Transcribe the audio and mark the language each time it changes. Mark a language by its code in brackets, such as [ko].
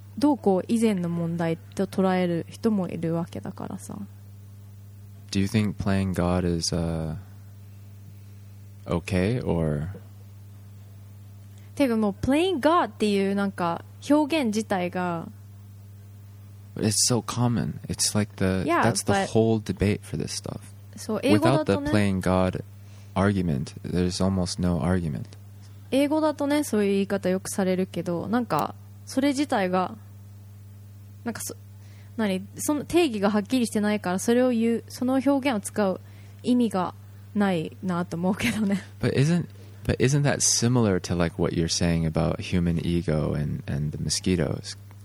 [ja] どうこう以前の問題と捉える人もいるわけだからさ。 [en] Do you think playing God is okay or? [ja] てかもう [en] playing God [ja] っていうなんか表現自体が。 [en] It's so common. It's like the yeah, that's the whole debate for this stuff. [ja] そう英語だとね。 [en] Without the playing God argument, there's almost no argument. [ja] 英語だとねそういう言い方よくされるけどなんか。それ自体がなんか何その定義がはっきりしてないからそれを言うその表現を使う意味がないなと思うけどね。 [en] But isn't that similar to like what you're saying about human ego and the mosquitoes?